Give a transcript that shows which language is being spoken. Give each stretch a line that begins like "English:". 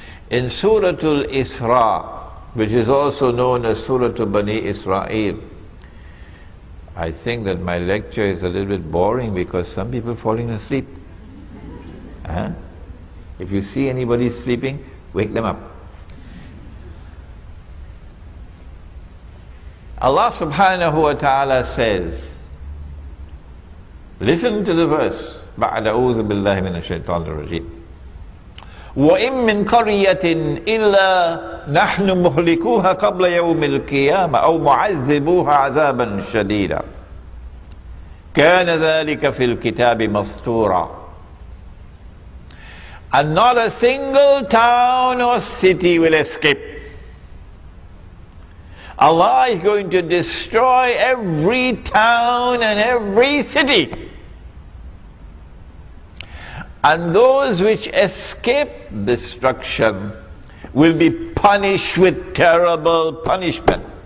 English: In Surah Al-Isra, which is also known as Surah Bani Israel. I think that my lecture is a little bit boring because some people are falling asleep. If you see anybody sleeping, wake them up. Allah subhanahu wa ta'ala says, listen to the verse,
Arabic: بَعْدَ أُوذُ بِاللَّهِ مِنَ الشَّيْطَانِ الرَّجِيمِ وَإِمْ مِنْ قَرْيَةٍ إِلَّا نَحْنُ مُهْلِكُوهَا قَبْلَ يَوْمِ الْقِيَامَةِ أَوْ مُعَذِّبُوهَا عَذَابًا شَدِيدًا كَانَ ذَلِكَ فِي الْكِتَابِ مَسْطُورًا.
English: And not a single town or city will escape. Allah is going to destroy every town and every city. And those which escape destruction will be punished with terrible punishment.